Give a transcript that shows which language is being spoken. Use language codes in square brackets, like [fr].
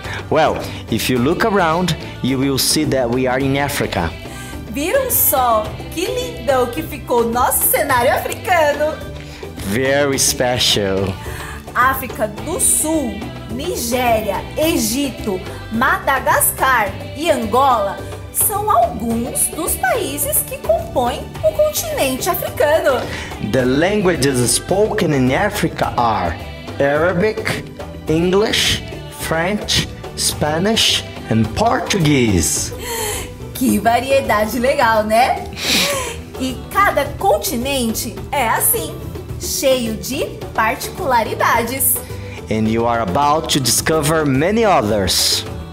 [en] Well, if you look around, you will see that we are in Africa. [pt] Viram só que lindão que ficou nosso cenário africano? [en] Very special. [pt] África do Sul, Nigéria, Egito, Madagascar e Angola são alguns dos países que compõem o continente africano. [en] The languages spoken in Africa are Arabic, English, French, Spanish and Portuguese. [pt] Que variedade legal, né? E cada continente é assim, cheio de particularidades. [en] And you are about to discover many others.